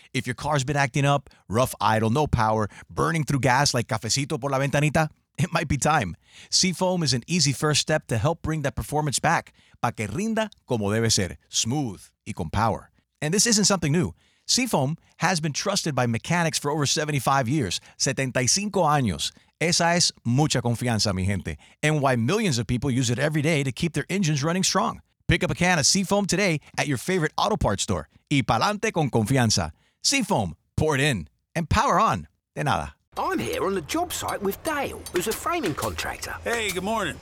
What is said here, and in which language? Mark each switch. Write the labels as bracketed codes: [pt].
[en] If your car's been acting up, rough idle, no power, burning through gas like [es] cafecito por la ventanita, [en] it might be time. Seafoam is an easy first step to help bring that performance back. [es] Pa' que rinda como debe ser, smooth y con power. [en] And this isn't something new. Seafoam has been trusted by mechanics for over 75 years. [es] 75 años. Esa es mucha confianza, mi gente. [en] And why millions of people use it every day to keep their engines running strong. Pick up a can of Seafoam today at your favorite auto parts store. [es] Y pa'lante con confianza. Seafoam. [en] Pour it in. And power on. [es] De nada. [en] I'm here on the job site with Dale, who's a framing contractor. Hey, good morning.